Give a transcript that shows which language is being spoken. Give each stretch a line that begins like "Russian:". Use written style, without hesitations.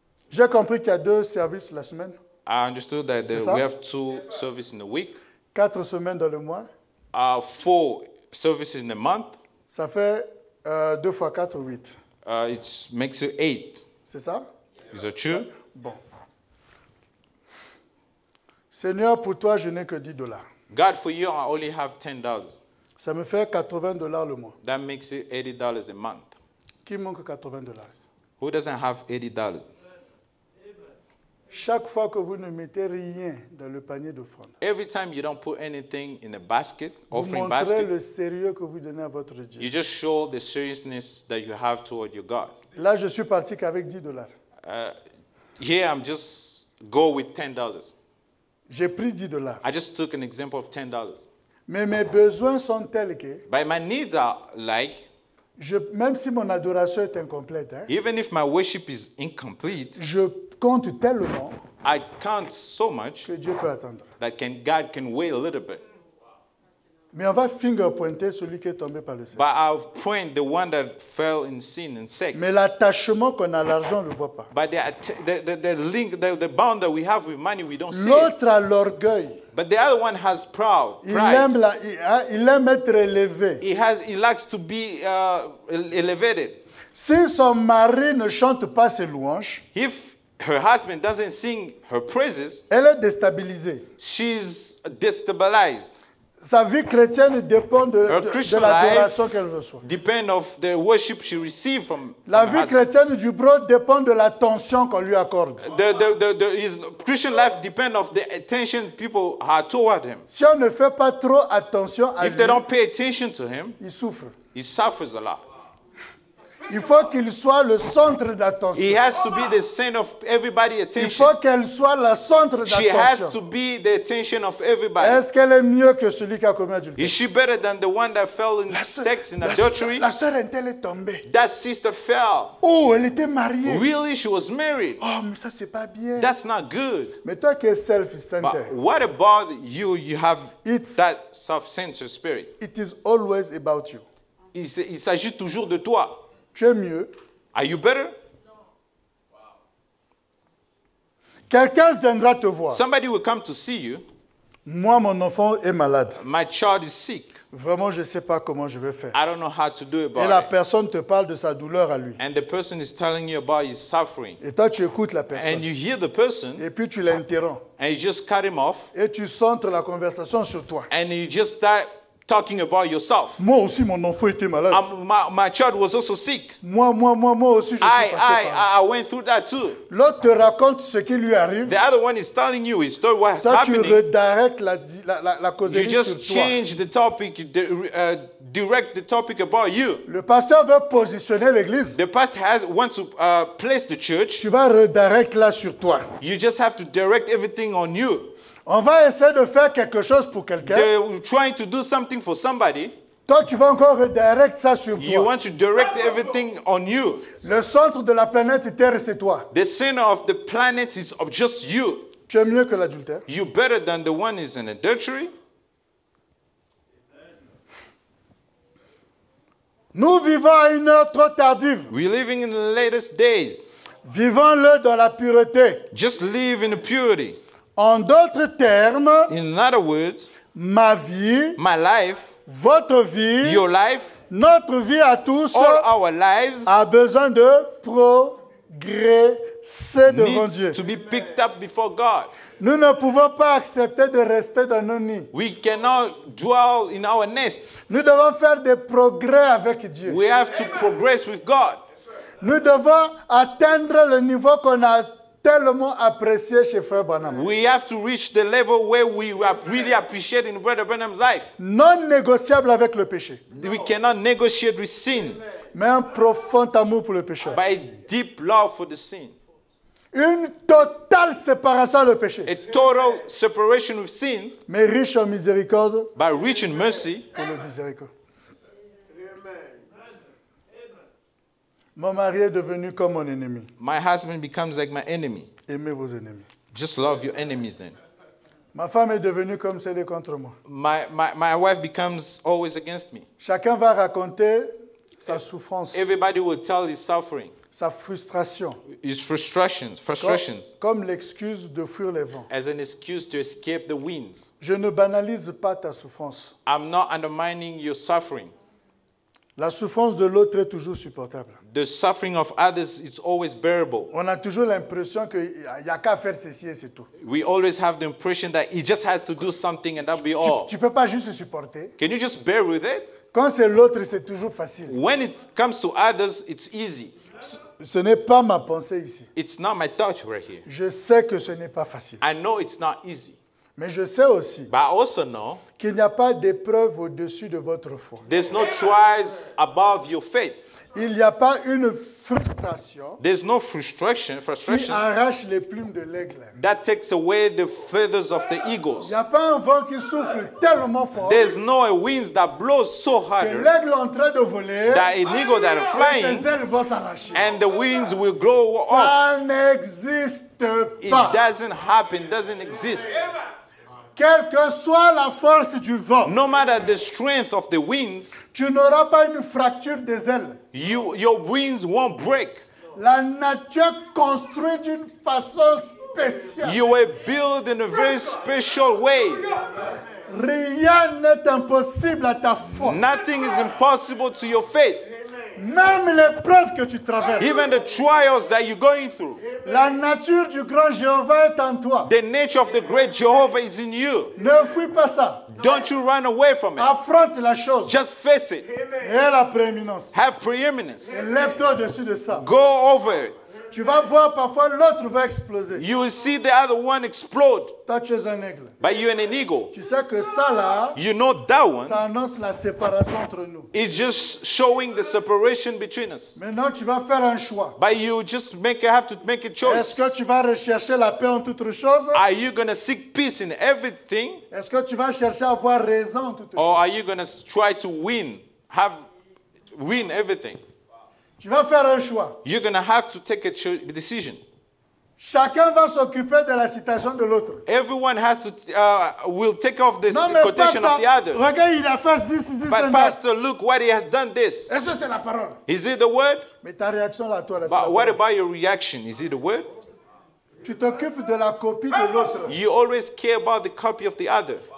French: J'ai compris qu'il y a deux services la semaine.
English: I understood that we have two services in a week.
French: 4 semaines dans le mois.
English: 4 services in a month.
French: Ça fait 2 × 4, 8.
English: It makes it 8.
French: C'est ça?
English: Is that true?
French: Bon. Seigneur, pour toi, je n'ai que 10 dollars.
English: God, for you, I only have $10.
French: Ça me fait $80 le mois.
English: That makes it $80 a month.
French: Qui manque $80?
English: Who doesn't have $80?
French: Chaque fois que vous ne mettez rien dans le panier d'offrande.
English: Every time you don't put anything in a basket, offering basket.
French: Vous montrez le sérieux que vous donnez à votre Dieu.
English: You just show the seriousness that you have toward your God.
French: Là, je suis parti qu'avec 10 dollars.
English: Here, I'm just go with $10.
French: J'ai pris 10 dollars.
English: I just took an example of $10.
French: Mais mes besoins sont tels que.
English: But my needs are like.
French: Je, même si mon adoration est incomplète. Hein,
English: even if my worship is incomplete.
French: Je compte tellement.
English: I count so much.
French: Que Dieu peut attendre.
English: That can, God can wait a little bit.
French: Mais on va finger pointer celui qui est tombé par le sexe.
English: But I'll point the one that fell in sin and sex.
French: Mais l'attachement qu'on a à l'argent, on ne le voit pas.
English: But the bond that we have with money, we don't see.
French: L'autre a l'orgueil.
English: But the other one has proud.
French: Il aime être élevé.
English: He likes to be elevated.
French: Si son mari ne chante pas ses louanges,
English: if her husband doesn't sing her praises,
French: elle est déstabilisée.
English: She's destabilized.
French: Sa vie chrétienne dépend de l'adoration qu'elle reçoit.
English: Depend of the worship she received from.
French: La vie chrétienne du bro dépend de l'attention qu'on lui accorde.
English: The his Christian life depend of the attention people are toward him.
French: Si on ne fait pas trop attention à
English: if if they don't pay attention to him,
French: il souffre.
English: He suffers a lot.
French: Il faut qu'il soit le centre d'attention.
English: He has to be the center of everybody's attention.
French: Il faut qu'elle soit le centre d'attention.
English: She has to be the attention of everybody.
French: Est-ce qu'elle est mieux que celui qui a commis adultère?
English: Is she better than the one that fell in sex in adultery?
French: La sœur est-elle tombée?
English: That sister fell.
French: Oh, elle était mariée.
English: Really, she was married.
French: Oh, mais ça c'est pas bien.
English: That's not good.
French: Mais toi qui es self-centered.
English: But what about you? You have that self-centered spirit. It is always about you.
French: Il s'agit toujours de toi. Tu es mieux.
English: Are you better?
French: Quelqu'un viendra te voir.
English: Somebody will come to see you.
French: Moi, mon enfant est malade.
English: My child is sick.
French: Vraiment, je ne sais pas comment je vais faire.
English: I don't know how to do about it.
French: Et la personne te parle de sa douleur à lui.
English: And the person is telling you about his suffering.
French: Et toi, tu écoutes la personne.
English: And you hear the person.
French: Et puis, tu l'interromps.
English: And you just cut him off.
French: Et tu centres la conversation sur toi.
English: And you just start talking about yourself.
French: Moi aussi, mon enfant était malade.
English: My child was also sick.
French: Moi aussi, je suis passé par
English: là. I went through that too.
French: L'autre te raconte ce qui lui arrive.
English: The other one is telling you his story, what's happening.
French: Toi, tu redirectes la causerie sur toi.
English: You just change the topic, direct the topic about you.
French: Le pasteur veut positionner l'église.
English: The pastor wants to place the church.
French: Tu vas redirect là sur toi.
English: You just have to direct everything on you.
French: On va essayer de faire quelque chose pour quelqu'un.
English: They're trying to do something for somebody.
French: Toi, tu vas encore redirect ça sur toi.
English: You want to direct everything on you.
French: Le centre de la planète Terre, c'est toi.
English: The center of the planet is of just you.
French: Tu es mieux que l'adultère.
English: You're better than the one is in adultery.
French: Nous vivons à une heure trop tardive.
English: We're living in the latest days.
French: Vivons-le dans la pureté.
English: Just live in purity.
French: En d'autres termes,
English: in other words,
French: ma vie,
English: my life,
French: Votre vie,
English: your life,
French: notre vie à tous,
English: all our lives,
French: a besoin de progresser devant Dieu.
English: Needs to be picked up before God.
French: Nous ne pouvons pas accepter de rester dans nos nids.
English: We cannot dwell in our nest.
French: Nous devons faire des progrès avec Dieu.
English: We have to progress with God.
French: Nous devons atteindre le niveau qu'on a tellement apprécié chez Frère Branham.
English: We have to reach the level where we are really appreciated in Brother Branham's life.
French: Non négociable avec le péché.
English: We cannot negotiate with sin.
French: Mais un profond amour pour le pécheur.
English: By deep love for the sin.
French: Une totale séparation du péché.
English: A total separation with sin.
French: Mais riche en miséricorde.
English: By rich in mercy.
French: Pour le miséricorde. Mon mari est devenu comme mon ennemi.
English: My husband becomes like my enemy.
French: Aimez vos ennemis.
English: Just love your enemies then.
French: Ma femme est devenue comme celle contre moi.
English: My wife becomes always against me.
French: Chacun va raconter sa souffrance.
English: Everybody will tell his suffering.
French: Sa frustration.
English: His frustrations.
French: Comme l'excuse de fuir les vents.
English: As an excuse to escape the winds.
French: Je ne banalise pas ta souffrance.
English: I'm not undermining your suffering.
French: La souffrance de l'autre est toujours supportable.
English: The suffering of others is always bearable.
French: On a toujours l'impression que y a qu'à faire ceci et c'est tout.
English: We always have the impression that he just has to do something and that'll be all.
French: Tu peux pas juste supporter.
English: Can you just bear with it?
French: Quand c'est l'autre, c'est toujours facile.
English: When it comes to others, it's easy.
French: Ce n'est pas ma pensée ici.
English: It's not my thought right here.
French: Je sais que ce n'est pas facile.
English: I know it's not easy.
French: Mais je sais aussi
English: but I also know
French: qu'il n'y a pas d'épreuve au-dessus de votre foi.
English: There's no trials above your faith.
French: Il n'y a pas une frustration.
English: There's no frustration.
French: Qui arrache les plumes de l'aigle.
English: That takes away the feathers of the eagles.
French: Il n'y a pas un vent qui souffle tellement fort.
English: There's no a wind that blows so hard.
French: Que l'aigle en train de voler.
English: That an eagle that is flying.
French: Ses ailes vont s'arracher.
English: And the winds will blow off.
French: Ça n'existe pas.
English: It doesn't happen. Doesn't exist.
French: Quelle que soit la force du vent,
English: no matter the strength of the winds,
French: tu n'auras pas une fracture des ailes.
English: Your wings won't break.
French: La nature construit d'une façon spéciale.
English: You were built in a very special way.
French: Rien n'est impossible à ta foi.
English: Nothing is impossible to your faith.
French: Même l'épreuve que tu traverses.
English: Even the trials that you're going through.
French: La nature du grand Jéhovah est en toi.
English: The nature of the great Jehovah is in you.
French: Ne fuis pas ça.
English: Don't you run away from it.
French: Affronte la chose.
English: Just face it.
French: Aie la prééminence.
English: Have preeminence.
French: Lève-toi au-dessus de ça.
English: Go over it.
French: Tu vas voir parfois l'autre va exploser.
English: You will see the other one explode.
French: Toi tu es un aigle.
English: But you are an eagle.
French: Tu sais que ça là.
English: You know that one.
French: Ça annonce la séparation entre nous.
English: It's just showing the separation between us.
French: Maintenant tu vas faire un choix.
English: But you just have to make a choice.
French: Est-ce que tu vas rechercher la paix en toute chose?
English: Are you gonna seek peace in everything?
French: Est-ce que tu vas chercher à avoir raison en toute chose?
English: Or are you gonna try to win everything?
French: Tu vas faire un choix.
English: You're going to have to take a decision.
French: Chacun va s'occuper de la situation de l'autre.
English: Everyone has to will take off this quotation of the other.
French: Regarde, il a fait this.
English: But pastor, look what he has done this.
French: Est-ce que c'est la parole?
English: Is it the word?
French: Mais ta réaction là, toi, là,
English: but what about your reaction? Is it the word?
French: Tu t'occupes de la copie de l'autre.
English: You always care about the copy of the other.